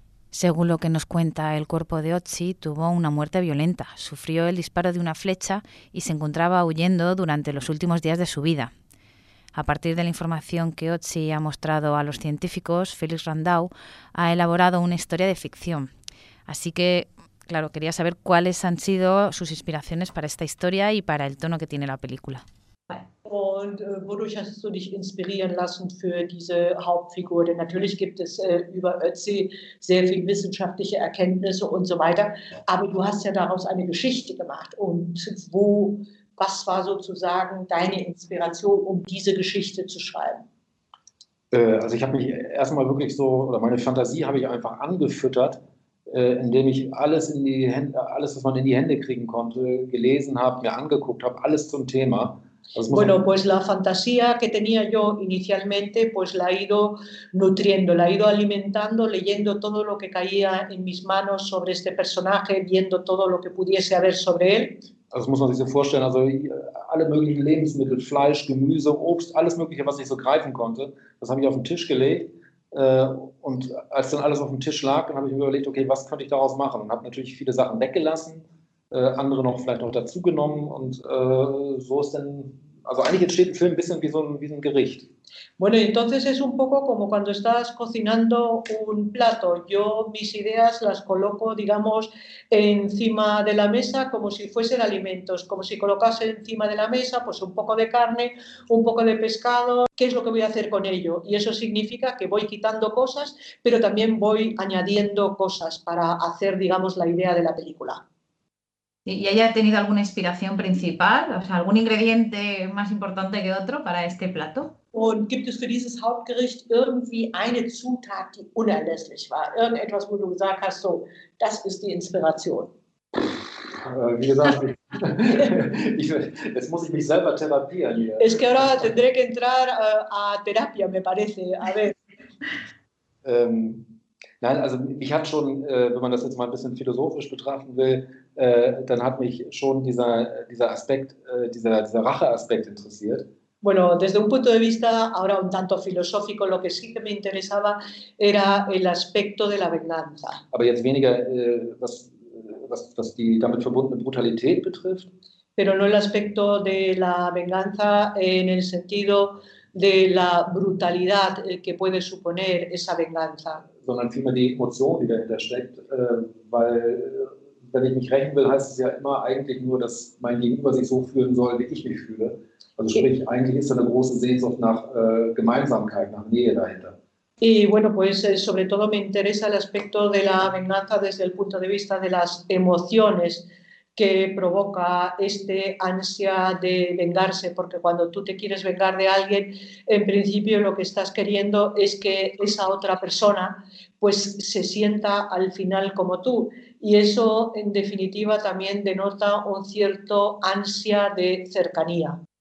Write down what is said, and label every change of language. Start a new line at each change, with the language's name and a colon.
Spanish: Según lo que nos cuenta, el cuerpo de Ötzi tuvo una muerte violenta, sufrió el disparo de una flecha y se encontraba huyendo durante los últimos días de su vida. A partir de la información que Ötzi ha mostrado a los científicos, Felix Randau ha elaborado una historia de ficción. Así que, claro, quería saber cuáles han sido sus inspiraciones para esta historia y para el tono que tiene la película.
German: Und wodurch hast du dich inspirieren lassen für diese Hauptfigur? Denn natürlich gibt es über Ötzi sehr viel wissenschaftliche Erkenntnisse und so weiter. Aber du hast ja daraus eine Geschichte gemacht. Und wo, was war sozusagen deine Inspiration, um diese Geschichte zu schreiben? Also ich habe mich erstmal wirklich so, oder meine Fantasie habe ich einfach angefüttert, indem ich alles in die Hände, alles, was man in die Hände kriegen konnte, gelesen habe, mir angeguckt habe, alles zum Thema. Das muss
Spanish: Bueno,
German: man.
Spanish: pues la fantasía que tenía yo inicialmente, pues la he ido nutriendo, la he ido alimentando, leyendo todo lo que caía en mis manos sobre este personaje, viendo todo lo que pudiese haber sobre él.
German: Also muss man sich so vorstellen, also alle möglichen Lebensmittel, Fleisch, Gemüse, Obst, alles Mögliche, was ich so greifen konnte, das habe ich auf den Tisch gelegt. Und als dann alles auf dem Tisch lag, dann habe ich mir überlegt, okay, was könnte ich daraus machen? Und habe natürlich viele Sachen weggelassen, andere noch vielleicht noch dazugenommen. Und so ist dann, also eigentlich entsteht ein Film ein bisschen wie so ein Gericht.
Spanish: Bueno, entonces es un poco como cuando estás cocinando un plato. Yo mis ideas las coloco, digamos, encima de la mesa como si fuesen alimentos, como si colocase encima de la mesa, pues un poco de carne, un poco de pescado. ¿Qué es lo que voy a hacer con ello? Y eso significa que voy quitando cosas, pero también voy añadiendo cosas para hacer, digamos, la idea de la película. ¿Y ella ha tenido alguna inspiración principal, o sea, algún ingrediente más importante que otro para este plato?
German: Und gibt es für dieses Hauptgericht irgendwie eine Zutat, die unerlässlich war? Irgendetwas, wo du gesagt hast, so, das ist die Inspiration. Wie gesagt, jetzt muss ich mich selber therapieren
Spanish: Es que
German: hier.
Spanish: ahora tendré que entrar a terapia, me parece. A ver.
German: Nein, also mich hat schon, wenn man das jetzt mal ein bisschen philosophisch betrachten will, dann hat mich schon dieser Aspekt, dieser Racheaspekt interessiert.
Spanish: Bueno, desde un punto de vista ahora un tanto filosófico, lo que sí que me interesaba era el aspecto de la venganza.
German: Aber jetzt weniger, was die damit verbundene Brutalität betrifft.
Spanish: Pero no el aspecto de la venganza en el sentido de la brutalidad que puede suponer esa venganza.
German: Sondern vielmehr die Emotion, die dahinter steckt. Weil, wenn ich mich rächen will, heißt es ja immer eigentlich nur, dass mein Gegenüber sich so fühlen soll, wie ich mich fühle. Also, sprich, eigentlich ist da eine große Sehnsucht nach Gemeinsamkeit, nach Nähe dahinter.
Spanish: Y bueno, pues sobre todo me interesa el aspecto de la venganza desde el punto de vista de las emociones, que provoca este ansia de vengarse, porque cuando tú te quieres vengar de alguien, en principio lo que estás queriendo es que esa otra persona pues se sienta al final como tú, y eso en definitiva también denota un cierto ansia de cercanía.